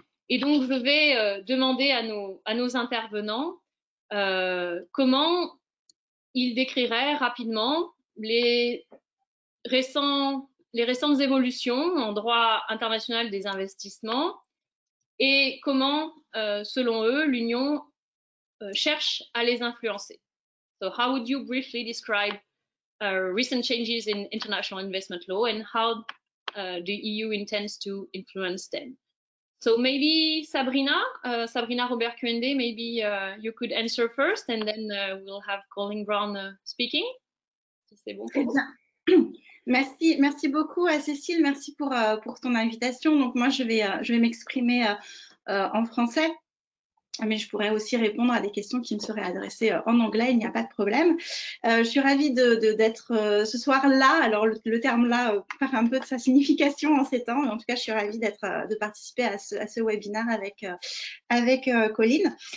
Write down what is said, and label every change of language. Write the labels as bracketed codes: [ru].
[fr] Et donc, je vais demander à nos intervenants comment ils décriraient rapidement les récentes évolutions en droit international des investissements et comment, selon eux, l'Union cherche à les influencer. [en] So, how would you briefly describe recent changes in international investment law and how the EU intends to influence them? So maybe Sabrina Robert-Kuende, maybe you could answer first and then we'll have Colin Brown speaking. [fr] C'est bon. Très bien. Merci, merci beaucoup à Cécile, merci pour ton invitation. Donc moi je vais m'exprimer en français. Mais je pourrais aussi répondre à des questions qui me seraient adressées en anglais, il n'y a pas de problème. Je suis ravie d'être ce soir là. Alors le terme là perd un peu de sa signification en ces temps, mais en tout cas je suis ravie de participer à ce webinaire avec Colline.